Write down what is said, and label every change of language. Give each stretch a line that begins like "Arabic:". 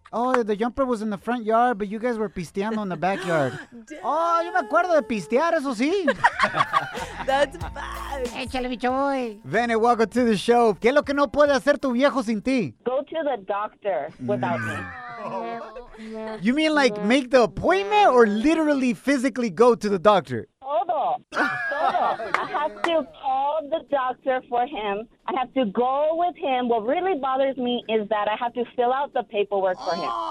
English: Oh, the jumper was in the front yard, but you guys were pisteando in the backyard.
Spanish: Oh, yo me acuerdo de pistear, eso sí.
English: That's bad.
Spanish: Échale, mi choy.
English: Vene, welcome to the show.
Spanish: ¿Qué es lo que no puede hacer tu viejo sin ti?
English: Go to the doctor without me. You mean like make the appointment or literally physically go to the doctor?
Spanish: Todo. Todo.
English: I have to call the doctor for him. I have to go with him. What really bothers me is that I have to fill out the paperwork for him.